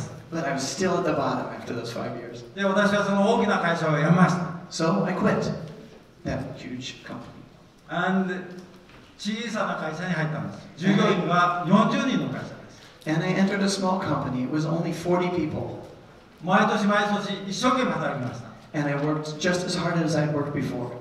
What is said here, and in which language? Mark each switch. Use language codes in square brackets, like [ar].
[en] But I'm still at the bottom after those 5 years. So I quit that huge company. [ja] And 小さな会社に入ったんです。従業員は40人の会社です。 [en] And I entered a small company. It was only 40 people. [ja] 毎年毎年一生懸命働きました。 [en] And I worked just as hard as I worked before.